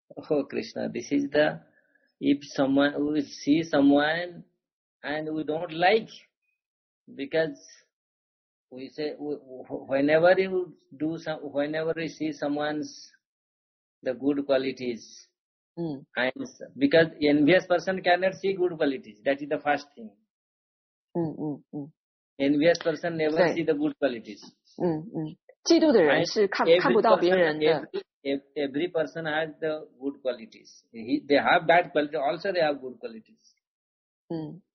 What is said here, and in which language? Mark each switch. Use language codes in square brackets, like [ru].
[en] Oh Krishna, this is the, if someone, we see someone and we don't like, because we say, whenever we see someone's the good qualities, and because envious person cannot see good qualities, that is the first thing. Envious person never see the good qualities. [zh] 嫉妒的人是看不到别人的。 [en] Every person has the good qualities. They have bad qualities, also they have good qualities.